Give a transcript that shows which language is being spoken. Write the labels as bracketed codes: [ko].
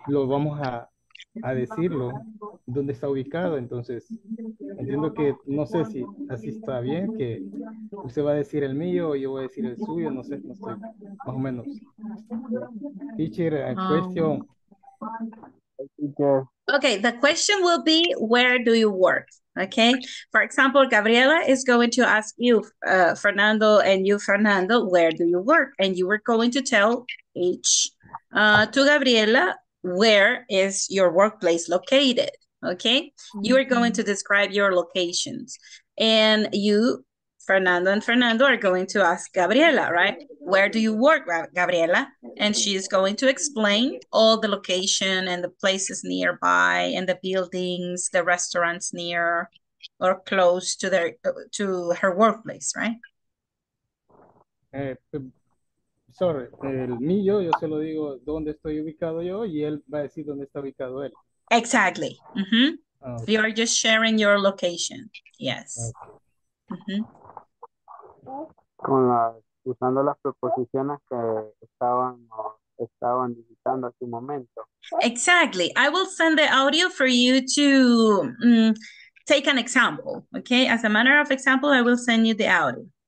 [es] Lo vamos a decirlo dónde está ubicado, entonces entiendo que no sé si así está bien, que usted va a decir el mío o yo voy a decir el suyo, no sé, no estoy más o menos. [en] Teacher, question. Okay, the question will be, where do you work? Okay, for example, Gabriela is going to ask you, Fernando, and you, Fernando, where do you work? And you were going to tell each to Gabriela, where is your workplace located? Okay, you are going to describe your locations. And you, Fernando and Fernando, are going to ask Gabriela, right? Where do you work, Gabriela? And she is going to explain all the location and the places nearby and the buildings, the restaurants near or close to their to her workplace, right? [es] Sorry, el mío, yo se lo digo dónde estoy ubicado yo y él va a decir dónde está ubicado él. [en] Exactly. Mm-hmm. Okay. You are just sharing your location. Yes. Okay. Mm-hmm. [es] Usando las preposiciones que estaban visitando hace un momento. [en] Exactly. I will send the audio for you to take an example. Okay. As a matter of example, I will send you the audio.